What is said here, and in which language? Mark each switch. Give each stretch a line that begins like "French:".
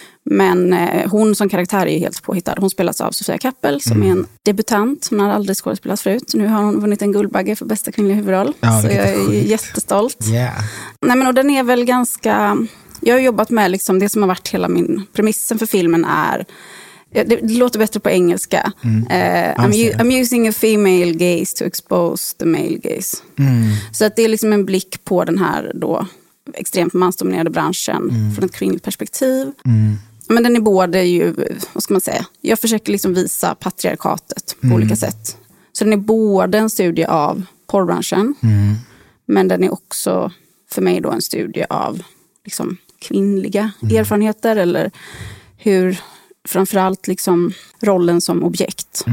Swedish: Men hon som karaktär är ju helt påhittad. Hon spelas av Sofia Kappel som är en debutant. Hon har aldrig skådespelat förut. Nu har hon vunnit en guldbagge för bästa kvinnliga huvudroll. Ja, så jag är sjukt. Jättestolt.
English: Yeah.
Swedish: Nej, men, och den är väl ganska... Jag har jobbat med liksom, det som har varit hela min... Premissen för filmen är... Det låter bättre på engelska.
English: I'm using a female gaze to expose the male gaze.
Swedish: Så att det är liksom en blick på den här då extremt mansdominerade branschen från ett kvinnligt perspektiv. Mm. Men den är både ju, vad ska man säga, jag försöker liksom visa patriarkatet på olika sätt. Så den är både en studie av porrbranschen, men den är också för mig då en studie av liksom kvinnliga erfarenheter eller hur framförallt liksom rollen som objekt.